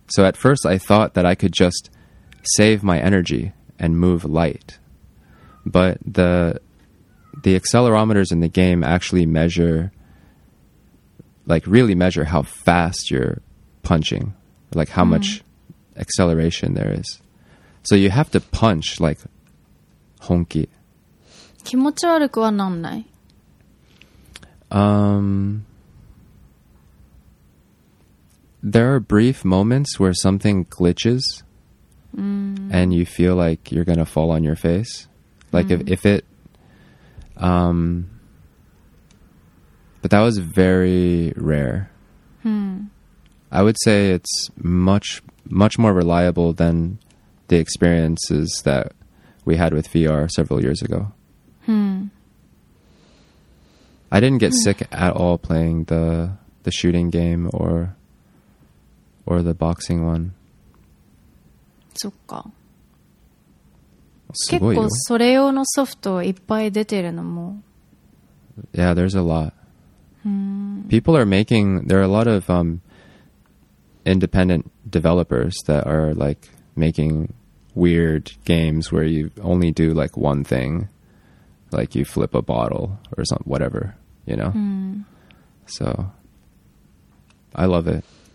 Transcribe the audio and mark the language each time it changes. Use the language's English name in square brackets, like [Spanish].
[English] So at first I thought that I could just save my energy and move light. But the accelerometers in the game actually measure, like really measure how fast you're punching, like how much acceleration there is. So you have to punch like 本気. [Japanese] 気持ち悪くはなんない? [English] There are brief moments where something glitches and you feel like you're going to fall on your face. Like if it... but that was very rare. I would say it's much, much more reliable than the experiences that we had with VR several years ago. I didn't get sick at all playing the shooting game or the boxing one. [Japanese] そっか. すごいよ。結構それ用のソフトいっぱい出てるのも。 [English] Yeah, there's a lot. People are making... There are a lot of independent developers that are like making weird games where you only do like one thing. Like you flip a bottle or something, whatever, you know? So, I love it.